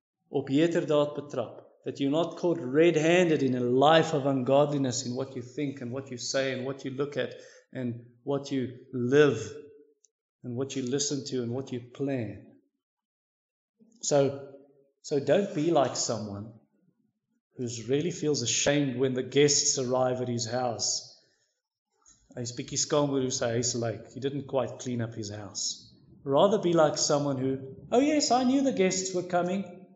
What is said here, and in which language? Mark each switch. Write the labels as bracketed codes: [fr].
[af] Op heterdaad betrap. [en] That you're not caught red-handed in a life of ungodliness in what you think and what you say and what you look at and what you live and what you listen to and what you plan. So don't be like someone who really feels ashamed when the guests arrive at his house. [af] Hy's bietjie skaam oor hoe sy huis lyk. [en] He didn't quite clean up his house. Rather be like someone who, oh yes, I knew the guests were coming.